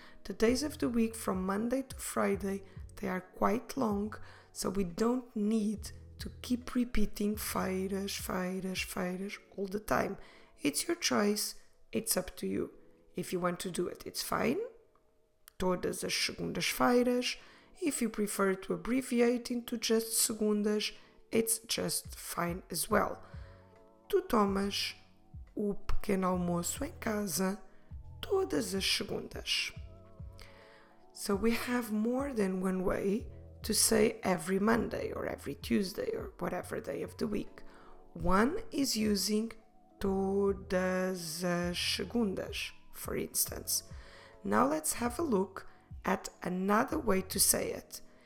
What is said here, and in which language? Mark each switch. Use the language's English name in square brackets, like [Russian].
[English] The days of the week from Monday to Friday, they are quite long, so we don't need to keep repeating feiras, feiras, feiras all the time. It's your choice. It's up to you. If you want to do it, it's fine. [Portuguese] Todas as segundas feiras. [English] If you prefer to abbreviate into just segundas, it's just fine as well. [Portuguese] Tu tomas o pequeno almoço em casa todas as segundas. [English] So we have more than one way to say every Monday or every Tuesday or whatever day of the week. One is using [Portuguese] todas as segundas, [English] for instance. Now let's have a look at another way to say it.